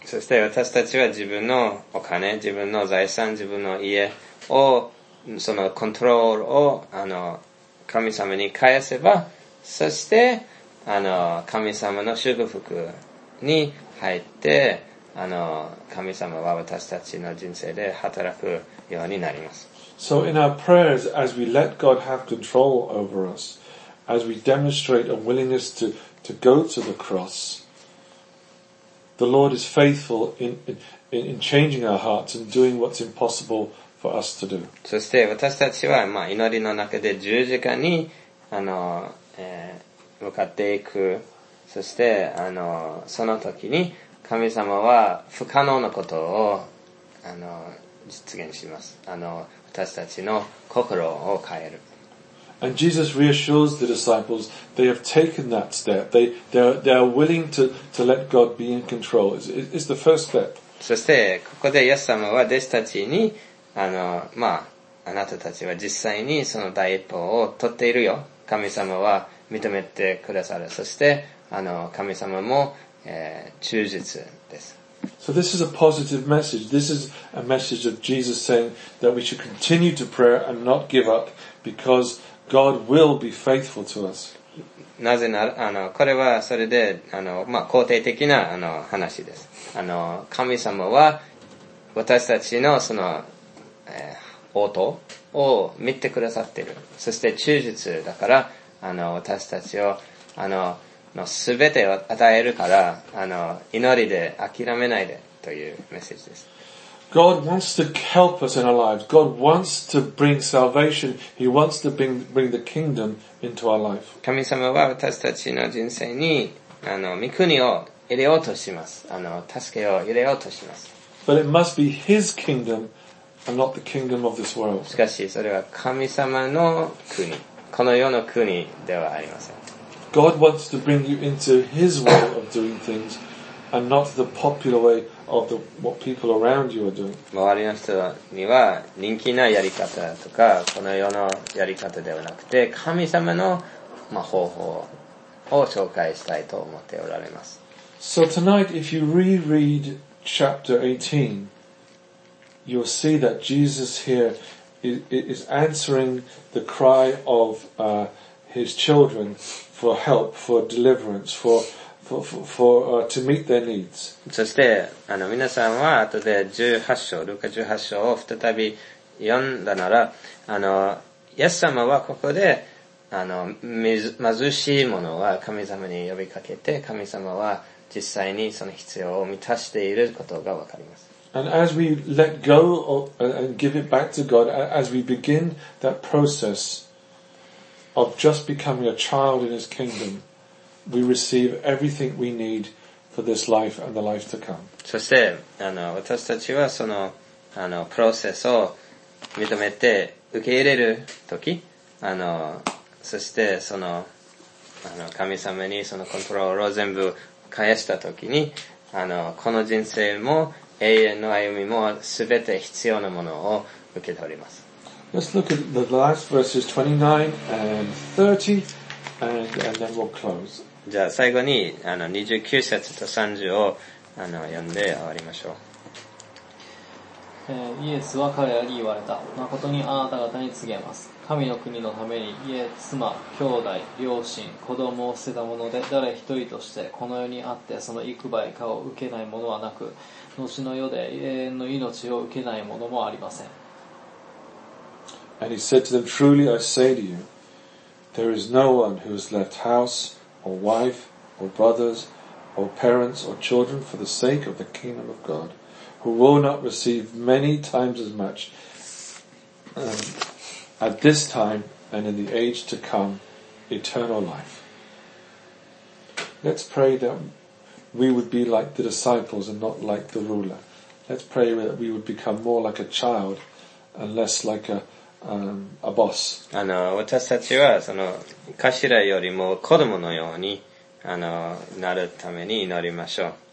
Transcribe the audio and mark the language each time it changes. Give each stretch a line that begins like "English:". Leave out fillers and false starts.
Japanese: そして私たちは自分のお金、自分の財産、自分の家をそのコントロールを神様に返せば、そして神様の祝福に入って神様は私たちの人生で働くようになります。
English: So in our prayers, as we let God have control over us, as we demonstrate a willingness to go to the cross, the Lord is faithful in changing our hearts and doing what's impossible for us to do.
Japanese: そして私たちは、まあ、祈りの中で十字架に向かっていく。そしてその時に神様は不可能なことを実現します。私たちの心を変える。
English: And Jesus reassures the disciples they have taken that step. They are willing to let God be in control. It's the first step.
Japanese: そしてここでイエス様は弟子たちにまあ、あなたたちは実際にその第一歩を取っているよ。神様は認めてくださる。そして神様も忠実です。
English: So this is a positive message. This is a message of Jesus saying that we should continue to pray and not give up because God will be faithful to us.
Japanese: なぜなら、これはそれで、まあ、肯定的な、話です。神様は私たちのその、応答を見てくださっている。そして忠実だから、私たちを、の全てを与えるから、祈りで諦めないでというメッセージです。
English: God wants to help us in our lives. God wants to bring salvation. He wants to bring the kingdom into our life.
Japanese: 神様は私たちの人生に、御国を入れようとします。助けを入れようとします。
English: But it must be His kingdom and not the kingdom of this world.
Japanese: しかし、それは神様の国、この世の国ではありません。
English: God wants to bring you into His way of doing things and not the popular way of what people around you are doing.
Japanese: 周りの人には人気なやり方とかこの世のやり方ではなくて神様の方法を紹介したいと思っておられます。
English: So tonight, if you reread chapter 18, you'll see that Jesus here is answering the cry of His children for help, for deliverance, for to meet their needs.
Japanese: そして皆さんは後で18章、ルカ18章を再び読んだなら、イエス様はここで貧しい者は神様に呼びかけて、神様は実際にその必要を満たしていることがわかります。
English: And as we let go and give it back to God, as we begin that process,of just becoming a child in His kingdom, we receive everything we need for this life and the life to come.
Japanese: そして、私たちはその、プロセスを認めて受け入れるとき、そしてその、神様にそのコントロールを全部返したときに、この人生も永遠の歩みも全て必要なものを受け取ります。
English: Let's look at the last verses 29 and 30 and then we'll close.
Japanese: じゃあ最後に29節と30を読んで終わりましょう。イエスは彼らに言われた。誠にあなた方に告げます。神の国のために家、妻、兄弟、両親、子供を捨てた者で誰一人としてこの世にあってその幾倍かを受けない者はなく、後の世で永遠の命を受けない者もありません。
English: And he said to them, Truly I say to you, there is no one who has left house, or wife, or brothers, or parents, or children for the sake of the kingdom of God, who will not receive many times as much, at this time and in the age to come, eternal life. Let's pray that we would be like the disciples and not like the ruler. Let's pray that we would become more like a child and less like a boss.
Japanese: 私たちはその頭よりも子供のようになるために祈りましょう。